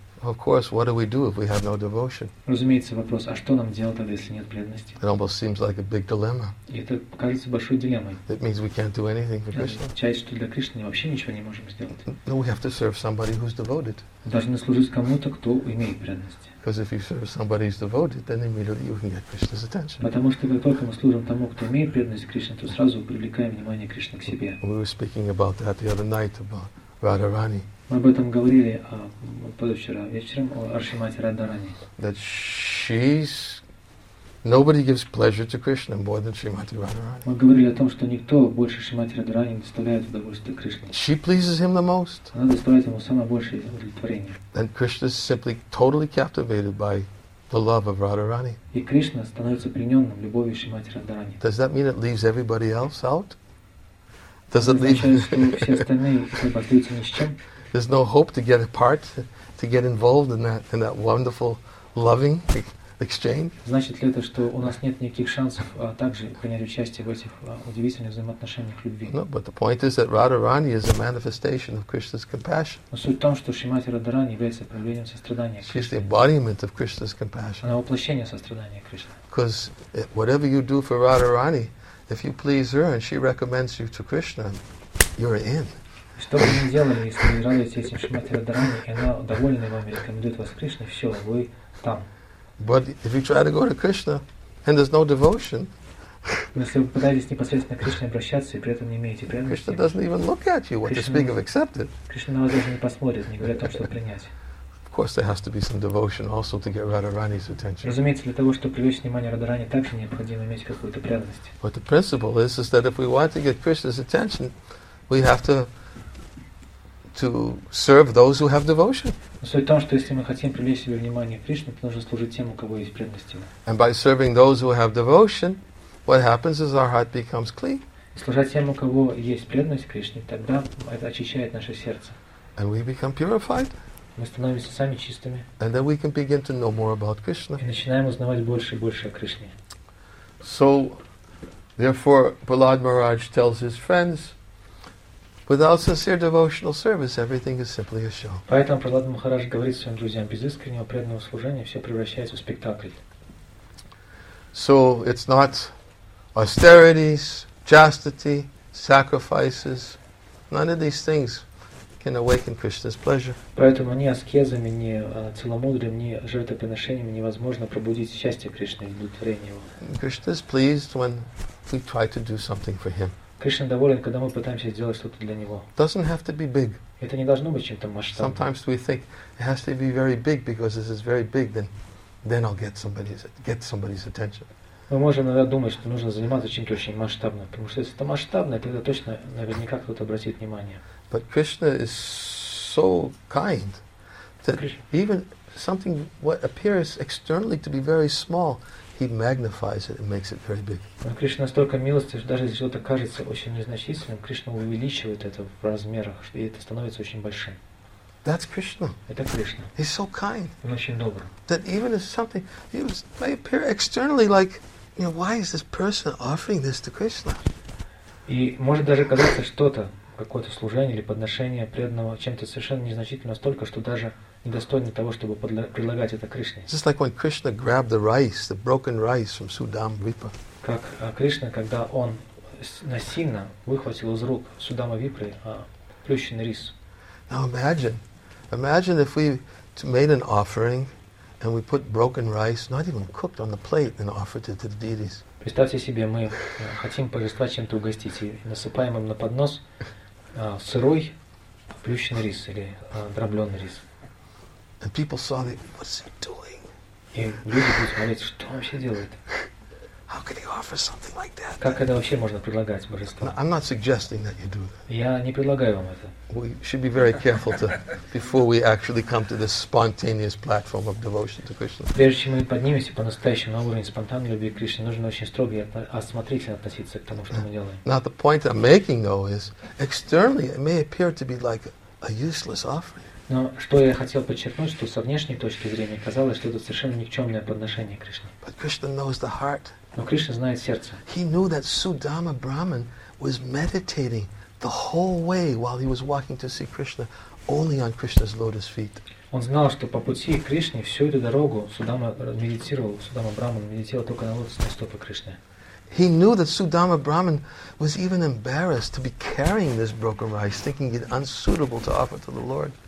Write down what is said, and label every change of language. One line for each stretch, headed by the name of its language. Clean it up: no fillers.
English: Of course, what do we do if we have no devotion?
Russian: Разумеется, вопрос, а что нам делать тогда, если нет преданности?
English: It almost seems like a big dilemma.
Russian: И это кажется большой дилеммой.
English: It means we can't do anything for Krishna.
Russian: Значит, что для Кришны вообще ничего не можем сделать.
English: No, we have to serve somebody who's devoted.
Russian: Должны служить кому-то, кто имеет преданность.
English: Because if you serve somebody who's devoted, then immediately you can get Krishna's attention.
Russian: Потому что как только мы служим тому, кто имеет преданность Кришне, то сразу привлекаем внимание Кришны к себе.
English: We were speaking about that the other night about Radharani.
Russian: Мы об этом говорили позавчера вечером о Аршимати Радхарани.
English: That she's nobody gives pleasure to Krishna more than Shrimati Radharani.
Russian: Мы говорили о том, что никто больше Шримати Радхарани не доставляет удовольствия Кришне.
English: She pleases him the most.
Russian: Она доставляет ему самое большее удовлетворение.
English: And Krishna is simply totally captivated by the love of Radharani.
Russian: И Кришна становится пленённым любовью Шримати Радхарани.
English: Does that mean it leaves everybody else out? Does it leave? There's no hope to get a part, to get involved in that wonderful loving exchange.
Russian: Значит ли это, что у нас нет никаких шансов также принять участие в этих удивительных взаимоотношениях любви?
English: No, but the point is that Radharani is a manifestation of Krishna's compassion.
Russian: Но суть в том, что Шримати Радхарани является проявлением сострадания Кришны.
English: She's the embodiment of Krishna's compassion.
Russian: Она воплощение сострадания Кришны.
English: Because whatever you do for Radharani, if you please her and she recommends you to Krishna, you're in.
Russian: Что бы ни делали, если не радуетесь этим Шримати Радхарани, и она довольна вами, рекомендует вас Кришне, все, вы там.
English: But if you try to go to Krishna and there's no devotion,
Russian: если вы пытаетесь непосредственно к Кришне обращаться и при этом не имеете преданности,
English: Krishna doesn't even look at you, what to speak of accepted.
Russian: Кришна на вас даже не посмотрит, не говоря о том, что принять.
English: Of course, there has to be some devotion also to get Radharani's attention.
Russian: Разумеется, для того, чтобы привлечь внимание Радхарани, также необходимо иметь какую-то преданность.
English: But the principle is that if we want to get Krishna's attention, we have to serve those who have devotion.
Russian: Суть в том, что если мы хотим привлечь себе внимание Кришны, то нужно служить тем, у кого есть преданность.
English: And by serving those who have devotion, what happens is our heart becomes clean.
Russian: Служа тем, у кого есть преданность Кришне, тогда это очищает наше сердце.
English: And we become purified.
Russian: Мы становимся сами чистыми.
English: And then we can begin to know more about Krishna.
Russian: И начинаем узнавать больше и больше о Кришне.
English: So, therefore, Prahlad Maharaj tells his friends, without sincere devotional service, everything is simply a show.
Russian: Поэтому Прохлад Махарадж говорит своим друзьям, без искреннего преданного служения все превращается в спектакль.
English: So it's not austerities, chastity, sacrifices. None of these things can awaken Krishna's pleasure.
Russian: Поэтому ни аскезами, ни целомудрием, ни жертвоприношениями невозможно пробудить счастье Кришны и удовлетворение его.
English: Krishna is pleased when we try to do something for him.
Russian: Кришна доволен, когда мы пытаемся сделать что-то для него.
English: Doesn't have to be big.
Russian: Это не должно быть чем-то масштабным.
English: Sometimes we think it has to be very big because this is very big, then I'll get somebody's attention.
Russian: Мы можем иногда думать, что нужно заниматься чем-то очень масштабным, потому что если это масштабно, тогда точно наверняка кто-то обратит внимание.
English: But Krishna is so kind that even something what appears externally to be very small, He magnifies it and makes it very big.
Russian: Кришна настолько милостив, что даже если что-то кажется очень незначительным, Кришна увеличивает это в размерах, и это становится очень большим.
English: That's Krishna.
Russian: Это Кришна.
English: He's so kind.
Russian: Он очень добр.
English: That even if something may appear externally like, you know, why is this person offering this to Krishna?
Russian: И может даже казаться что-то, какое-то служение или подношение преданного чем-то совершенно незначительным настолько, что даже недостойны того, чтобы предлагать это Кришне.
English: Just like when Krishna grabbed the rice, the broken rice from Sudama-vipra.
Russian: Как Кришна, когда он насильно выхватил из рук Судама-випры плющенный рис.
English: Now imagine if we made an offering and we put broken rice, not even cooked, on the plate and offered it to the deities.
Russian: Представьте себе, мы хотим божества чем-то угостить и насыпаем им на поднос сырой плющенный рис или дробленый рис.
English: And people saw that, what's he doing?
Russian: И люди будут смотреть, что он вообще делает?
English: How could he offer something like that?
Russian: Как это вообще можно предлагать божеству?
English: I'm not suggesting that you do that.
Russian: Я не предлагаю вам это.
English: We should be very careful to before we actually come to this spontaneous platform of devotion to Krishna.
Russian: Прежде чем мы поднимемся по-настоящему на уровень спонтанной любви к Кришне, нужно очень строго и осмотрительно относиться к тому, что мы делаем.
English: Now the point I'm making though is externally it may appear to be like a useless offering.
Russian: Но что я хотел подчеркнуть, что со внешней точки зрения казалось, что это совершенно никчемное подношение Кришне.
English: But Krishna knows the heart.
Russian: Но Кришна знает сердце.
English: He knew that Sudama Brahman was meditating the whole way while he was walking to see Krishna only on Krishna's lotus feet.
Russian: Он знал, что по пути к Кришне всю эту дорогу Судама Брахман медитировал только на лотосные стопы Кришны.
English: He knew that Sudama Brahman was even embarrassed to be carrying this broken rice, thinking it unsuitable to offer to the Lord.